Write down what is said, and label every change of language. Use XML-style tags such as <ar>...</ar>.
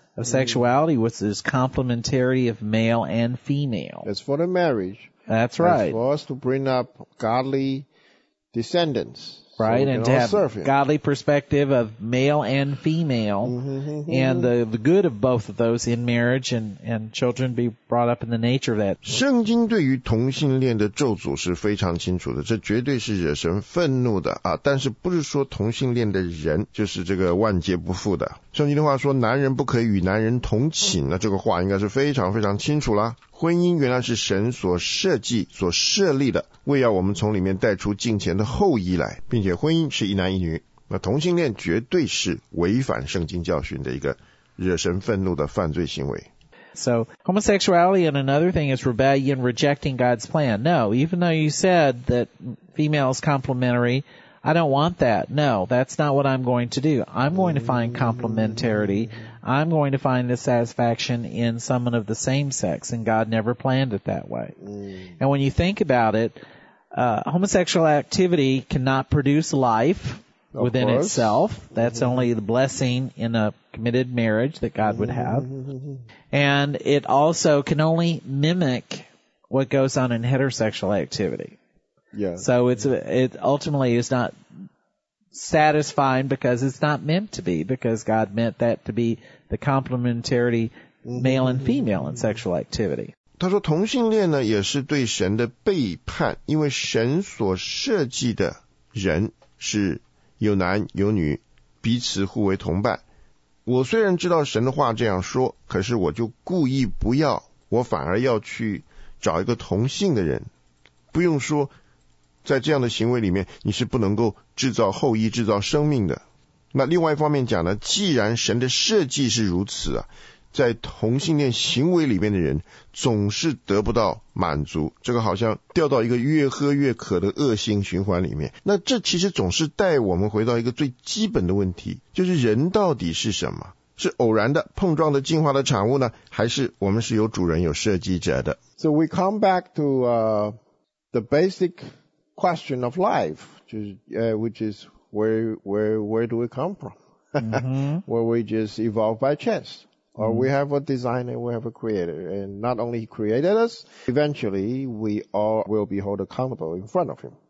<en>Of sexuality, which is complementarity of male and female. It's for the marriage. That's right. It's for us to bring up godly descendants. Right, so and to have godly perspective of male and female, and the good of both of those in marriage and children be brought up in the nature of that.</en> <zh>圣经对于同性恋的咒诅是非常清楚的，这绝对是惹神愤怒的啊！但是不是说同性恋的人就是这个万劫不复的？圣经的话说，男人不可以与男人同寝，那这个话应该是非常非常清楚啦。婚姻原来是神所设计、所设立的，为要我们从里面带出敬虔的后裔来，并且婚姻是一男一女。那同性恋绝对是违反圣经教训的一个惹神愤怒的犯罪行为。</zh> <en>So homosexuality and another thing is rebellion, rejecting God's plan. No, even though you said that female is complementary, I don't want that. No, that's not what I'm going to do. I'm going to find complementarity. I'm going to find the satisfaction in someone of the same sex, and God never planned it that way. And when you think about it, homosexual activity cannot produce life within itself. That's only the blessing in a committed marriage that God would have. And it also can only mimic what goes on in heterosexual activity. Yeah. So it ultimately is not satisfying because it's not meant to be, because God meant that to be the complementarity male and female in sexual activity.</en> <zh>他说同性恋呢也是对神的背叛，因为神所设计的人是有男有女，彼此互为同伴。我虽然知道神的话这样说，可是我就故意不要，我反而要去找一个同性的人。不用说，在这样的行为里面，你是不能够制造后裔、制造生命的。那另外一方面讲呢，既然神的设计是如此啊，在同性恋行为里面的人总是得不到满足，这个好像掉到一个越喝越渴的恶性循环里面。那这其实总是带我们回到一个最基本的问题，就是人到底是什么？是偶然的碰撞的进化的产物呢，还是我们是有主人有设计者的？</zh> <en>So we come back to the basic question of life, which is where do we come from? Where we just evolve by chanceOr we have a designer, we have a creator, and not only he created us, eventually we all will be held accountable in front of him.</en>